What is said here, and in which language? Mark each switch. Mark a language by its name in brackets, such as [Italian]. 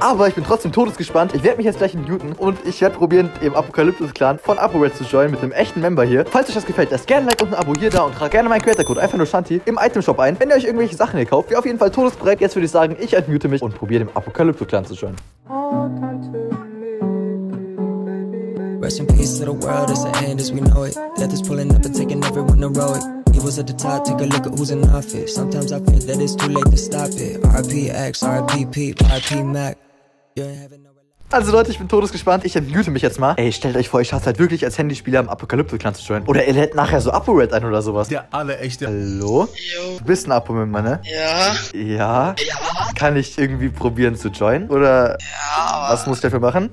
[German] Aber ich bin trotzdem todesgespannt. Ich werde mich jetzt gleich muten und ich werde probieren, im Apokalypto-Clan von ApoRed zu joinen mit einem echten Member hier. Falls euch das gefällt, lasst gerne ein Like und ein Abo hier da und trage gerne meinen Creator-Code, einfach nur Shanti, im Itemshop ein. Wenn ihr euch irgendwelche Sachen hier kauft, wäre auf jeden Fall todesbereit. Jetzt würde ich sagen, ich entmute mich und probiere dem Apokalypto-Clan zu joinen. [English] Rest in peace to the world, it's the end as we know it. Death is pulling up and taking everyone to row it. Evil's at the top, take a look at who's in office. Sometimes I think that it's too late to stop it. RPX, RPP, RP Mac. You're in heaven. [German] Also Leute, ich bin todesgespannt. Ich entmute mich jetzt mal. Ey, stellt euch vor, ich schaffe es halt wirklich als Handyspieler im Apokalypto-Clan zu joinen. Oder ihr lädt nachher so ApoRed ein oder sowas. Ja, alle echte. Hallo? Yo. Du bist ein Apo-Member, ne? Ja. Ja? Ja. Kann ich irgendwie probieren zu joinen? Oder was muss ich dafür machen?